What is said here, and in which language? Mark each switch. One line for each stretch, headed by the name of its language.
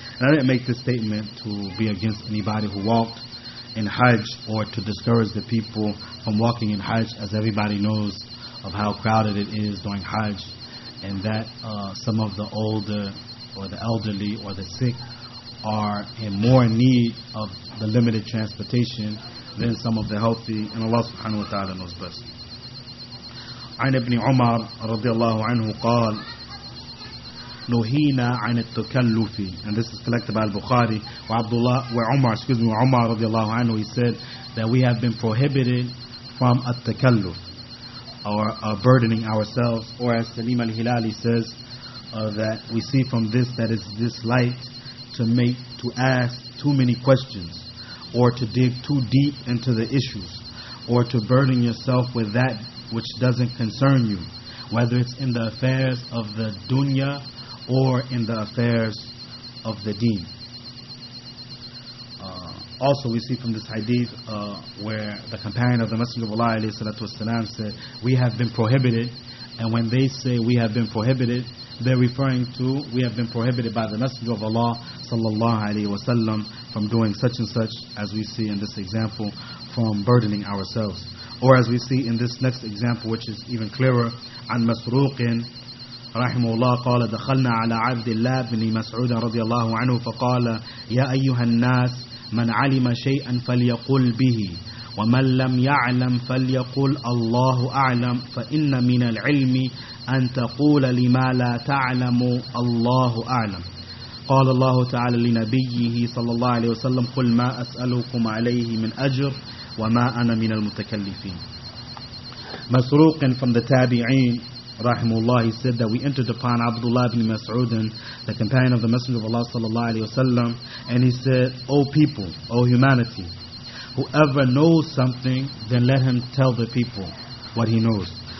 English: And I didn't make this statement to be against anybody who walked in Hajj or to discourage the people from walking in Hajj, as everybody knows of how crowded it is during Hajj, and that some of the older or the elderly or the sick are in more need of the limited transportation than some of the healthy, and Allah subhanahu wa ta'ala knows best.
Arabic: عن ابن عمر رضي الله عنه قال نهينا عن التكلف.
English: And this is collected by Al-Bukhari.
Arabic: وعمر رضي الله عنه,
English: he said that we have been prohibited from التكلف, or burdening ourselves, or as Salim al-Hilali says, that we see from this that it's disliked to ask too many questions, or to dig too deep into the issues, or to burden yourself with that which doesn't concern you, whether it's in the affairs of the dunya or in the affairs of the deen. Also we see from this hadith where the companion of the Messenger of Allah alayhi salatu wasalam said, we have been prohibited. And when they say we have been prohibited, they're referring to we have been prohibited by the Messenger of Allah sallallahu alayhi wasallam from doing such and such, as we see in this example, from burdening ourselves. Or as we see in this next example, which is even clearer,
Arabic: عن مسروق رحمه الله قال دخلنا على عبد الله بن مسعود رضي الله عنه فقال يا أيها الناس من علم شيئا فليقل به ومن لم يعلم فليقل الله أعلم فإن من العلم أن تقول لما لا تعلم الله أعلم. قال الله تعالى لنبيه صلى الله عليه وسلم قل ما أسألكم عليه من أجر وَمَا أَنَا مِنَ الْمُتَكَلِّفِينَ.
English: Masruqin from the Tabi'een rahimullah, he said that we entered upon Abdullah ibn Mas'udin, the companion of the Messenger of Allah sallallahu alayhi wasallam, and he said, O people, O humanity, whoever knows something, then let him tell the people what he knows.